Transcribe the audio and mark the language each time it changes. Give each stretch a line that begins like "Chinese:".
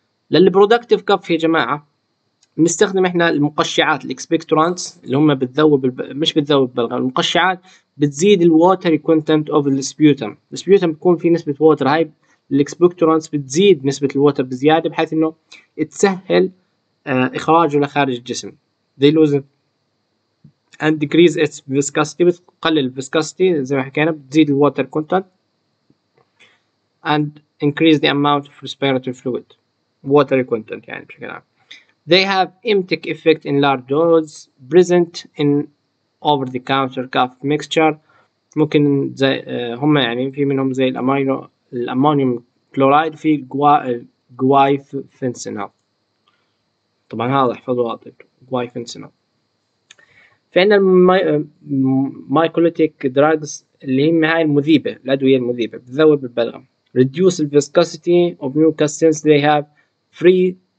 Arabic: للبرودكتيف كف يا جماعه بنستخدم احنا المقشعات الاكسبكتورانتس اللي هم بتذوب مش بتذوب بالغ، المقشعات بتزيد الووتر كونتنت اوف السبيوتم. السبيوتم بيكون فيه نسبه ووتر، هاي الاكسبكتورانتس بتزيد نسبه الووتر بزياده بحيث انه تسهل اخراجه لخارج الجسم.
English: They lose and decrease its viscosity،
Arabic: بتقلل الفيسكوستي زي ما حكينا، بتزيد الووتر كونتنت
English: and increase the amount of respiratory fluid water content.
Arabic: يعني بشكل عام
English: they have emetic effect in large doses present in over the counter cough mixture.
Arabic: ممكن زي هم يعني في منهم زي الامونيوم كلورايد، في جوايفنسينال، طبعا هذا احفظه واضح جوايفنسينال. في عندنا المايكوليتيك دراجز اللي هي هاي المذيبه، الادويه المذيبه بتذوب البلغم،
English: reduce the viscosity of mucus since they have free